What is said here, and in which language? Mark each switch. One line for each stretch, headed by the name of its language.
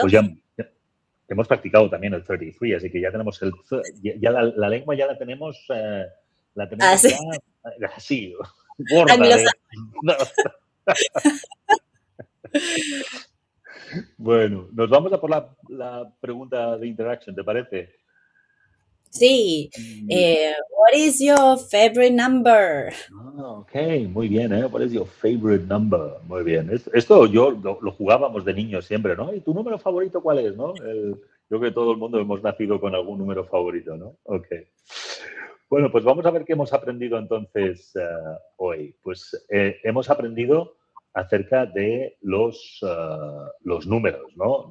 Spanish: Pues ya hemos practicado también el 33, así que ya tenemos ya la lengua ya la tenemos Así. ya así, gorda Anglosajón. de. No. Bueno, nos vamos a por la pregunta de interacción, ¿te parece? Sí.
English: What is your favorite number?
Spanish: Ok, muy bien, ¿eh?
English: What is your favorite number?
Spanish: Muy bien. Esto yo lo jugábamos de niño siempre, ¿no? ¿Y tu número favorito cuál es, no? Yo creo que todo el mundo hemos nacido con algún número favorito, ¿no? Ok. Bueno, pues vamos a ver qué hemos aprendido entonces hoy. Pues hemos aprendido acerca de los números, ¿no?